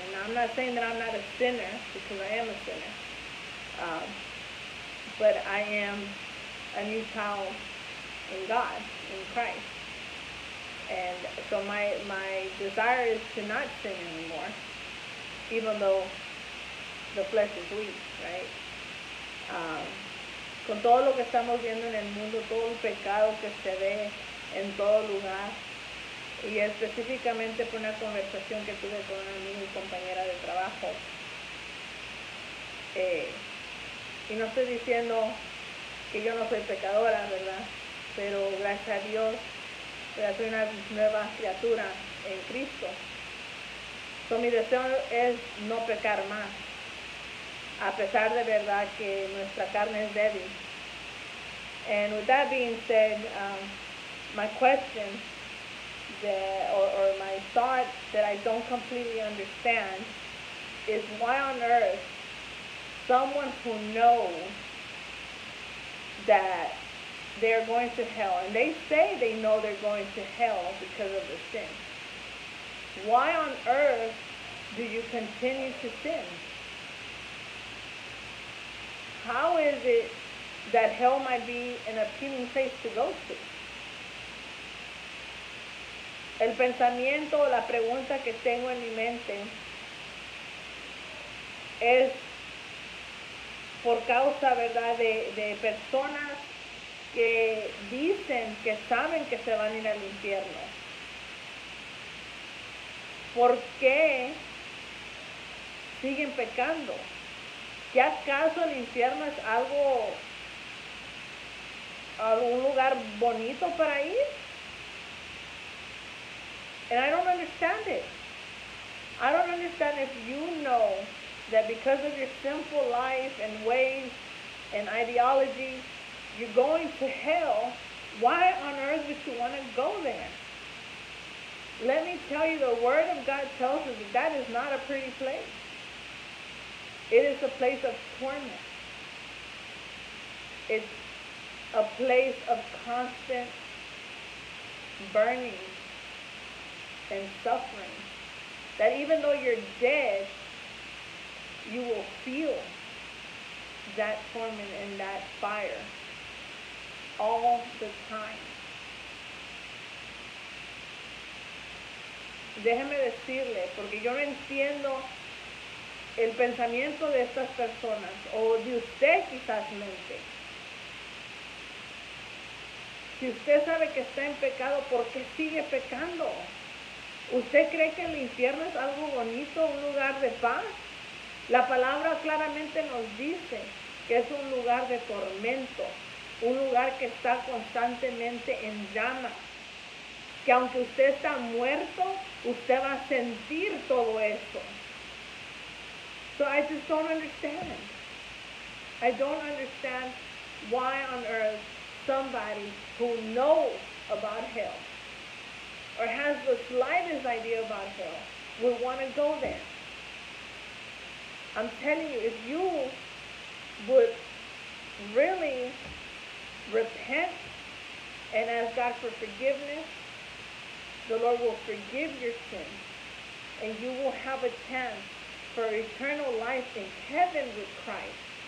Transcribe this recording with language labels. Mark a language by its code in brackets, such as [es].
[en] And I'm not saying that I'm not a sinner, because I am a sinner, but I am a new child in God, in Christ. And so my desire is to not sin anymore, even though the flesh is weak, right? [es] Con todo lo que estamos viendo en el mundo, todo el pecado que se ve en todo lugar, y específicamente por una conversación que tuve con una amiga y compañera de trabajo. Y no estoy diciendo que yo no soy pecadora, ¿verdad? Pero gracias a Dios, ya soy una nueva criatura en Cristo. So, mi deseo es no pecar más. A pesar de verdad que nuestra carne es débil. [en] And with that being said, my question or my thought that I don't completely understand is why on earth someone who knows that they're going to hell, and they say they know they're going to hell because of the sin, why on earth do you continue to sin? How is it that hell might be an appealing place to go to? [es] El pensamiento o la pregunta que tengo en mi mente es por causa, ¿verdad?, de personas que dicen que saben que se van a ir al infierno. ¿Por qué siguen pecando? ¿Qué acaso el infierno es algo, algún lugar bonito para ir? [en] And I don't understand it. I don't understand if you know that because of your sinful life and ways and ideology, you're going to hell. Why on earth would you want to go there? Let me tell you, the Word of God tells us that that is not a pretty place. It is a place of torment. It's a place of constant burning and suffering, that even though you're dead, you will feel that torment and that fire all the time. [es] Déjeme decirle, porque yo no entiendo el pensamiento de estas personas, o de usted quizás mente. Si usted sabe que está en pecado, ¿por qué sigue pecando? ¿Usted cree que el infierno es algo bonito, un lugar de paz? La palabra claramente nos dice que es un lugar de tormento, un lugar que está constantemente en llamas. Que aunque usted está muerto, usted va a sentir todo eso. [en] So I just don't understand. I don't understand why on earth somebody who knows about hell or has the slightest idea about hell will want to go there. I'm telling you, if you would really repent and ask God for forgiveness, the Lord will forgive your sin, and you will have a chance for eternal life in heaven with Christ.